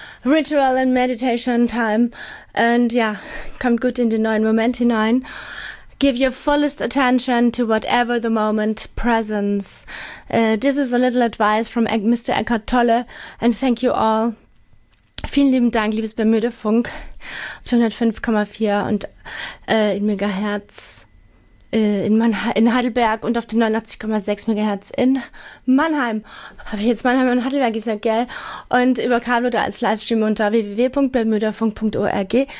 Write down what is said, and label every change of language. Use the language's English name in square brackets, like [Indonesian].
[English] Ritual and Meditation Time. [German] Und ja, kommt gut in den neuen Moment hinein. [English] give your fullest attention to whatever the moment presents. This is a little advice from Mr. Eckhart Tolle. And thank you all. [German] Vielen lieben Dank, liebes Bermüdefunk, auf 105,4 und in Megahertz in Heidelberg und auf den 89,6 Megahertz in Mannheim. Habe ich jetzt Mannheim und Heidelberg gesagt, gell? Und über Kabel oder als Livestream unter www.bermüdefunk.org.